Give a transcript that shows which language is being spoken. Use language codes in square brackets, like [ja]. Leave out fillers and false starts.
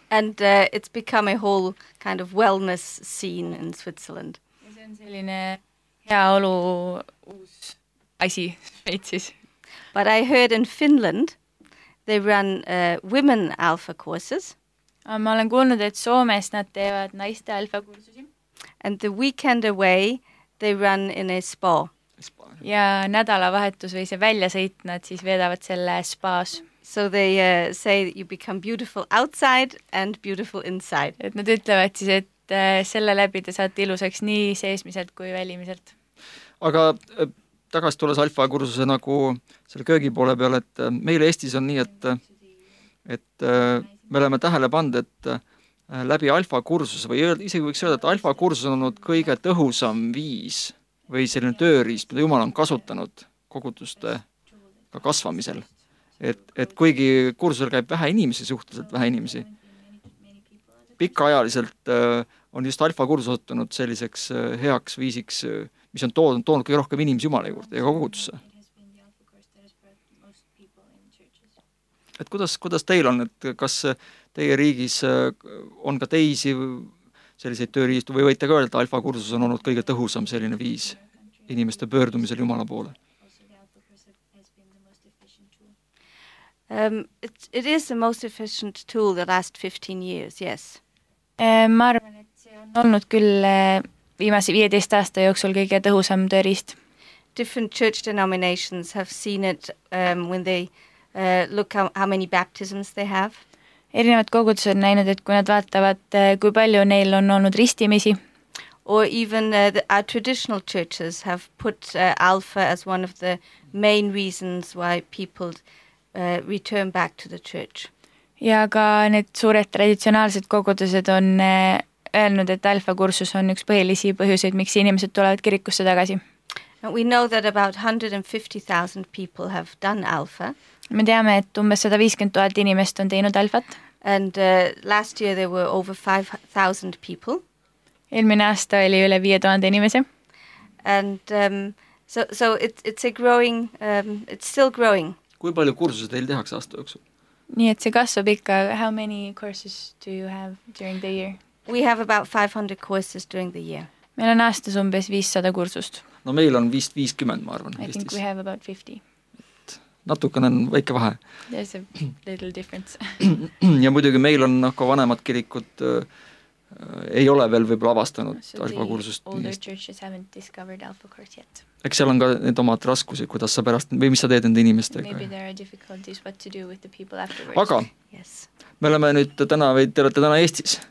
[en] And it's become a whole kind of wellness scene in Switzerland. [et] See on selline heaolu uus asi Sveitsis. [en] But I heard in Finland, they run women alpha courses. [et] Ma olen kuulnud, et Soomes nad teevad naiste alpha kursusi. [en] And the weekend away, they run in a spa. [et] Ja nädala vahetus või see välja sõit, nad siis veedavad selle spaas. [en] So they say that you become beautiful outside and beautiful inside. [et] Et nad ütlevad siis, et selle läbi te saate iluseks nii seesmiselt kui välimiselt. Aga tagast tules Alfa kursuse nagu selle köögipoole peale, et meil Eestis on nii, et me oleme tähele pand, et läbi alfa kursus või isegi võiks öelda, et alfa kursus on olnud kõige tõhusam viis või selline tööriist, mida Jumal on kasutanud koguduste ka kasvamisel. Et kuigi kursusel käib vähe inimesi suhteliselt, vähe inimesi, pikaajaliselt on just alfa kursus osutunud selliseks heaks viisiks, mis on toonud kõige rohkem inimesi Jumale juurde ja kogudusse. Et kuidas teil on, et kas teie riigis on ka teisi selliseid tööriistu või võite ka öelda, et alfa kursus on olnud kõige tõhusam selline viis inimeste pöördumisel Jumala poole? [en] It is the most efficient tool the last 15 years, yes. [et] Ma arvan, et see on olnud küll viimase 15 aasta jooksul kõige tõhusam tööriist. [en] Different church denominations have seen it when they look how many baptisms they have. [et] Erinevad kogudus on näinud, et kui nad vaatavad, kui palju neil on olnud ristimisi. [en] Or even our traditional churches have put alpha as one of the main reasons why people return back to the church. [et] Ja ka need suured traditsionaalsed kogudused on öelnud, et alfa kursus on üks põhilisi põhjuseid, miks inimesed tulevad kirikusse tagasi. [en] We know that about 150,000 people have done alpha. [et] Me teame, et umbes 150 000 inimest on teinud alfat. [en] And last year there were over 5,000 people. [et] Eelmine aasta oli üle 5,000 inimese. [en] And so it's a growing it's still growing. [et] Kui palju kursuse teil tehaks aasta jooksul? Nii et see kasvab ikka. [en] How many courses do you have during the year? We have about 500 courses during the year. [et] Meil on aastas umbes 500 kursust. No meil on vist 50, ma arvan. [en] I Eestis. Think we have about 50. [et] Natukene on väike vahe. [en] There's a little difference. [et] Ja muidugi meil on ka vanemad kirikud ei ole veel võib-olla avastanud so alfa kursust. [en] The older churches haven't discovered alpha course yet. [et] Eks seal on ka need omad raskusi, kuidas sa pärast, või mis sa teed enda inimestega. [en] Maybe there are difficulties what to do with the people afterwards. [et] Aga, [en] yes. [et] Me oleme nüüd täna, või te olete täna Eestis.